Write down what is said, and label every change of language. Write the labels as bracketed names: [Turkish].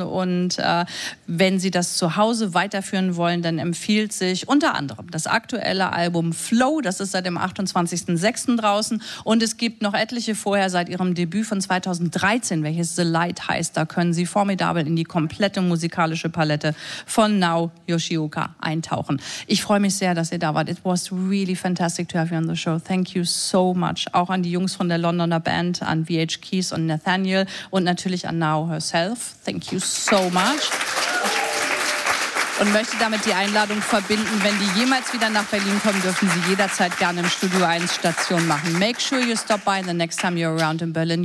[German] Und wenn Sie das zu Hause weiterführen wollen, dann empfiehlt sich unter anderem das aktuelle Album Flow. Das ist seit dem 28.06. draußen. Und es gibt noch etliche vorher seit Ihrem Debüt von 2013, welches The Light heißt. Da können Sie formidabel in die komplette musikalische Palette von Nao Yoshioka eintauchen. Ich freue mich sehr, dass ihr da wart. [English] It was really fantastic to have you on the show. Thank you so much. [German] Auch an die Jungs von der Londoner Band, an VH Keys und Nathaniel und natürlich an Nao [English] herself. Thank you so much. [German] Und möchte damit die Einladung verbinden, wenn die jemals wieder nach Berlin kommen, dürfen sie jederzeit gerne im Studio 1 Station machen. [English] Make sure you stop by the next time you're around in Berlin.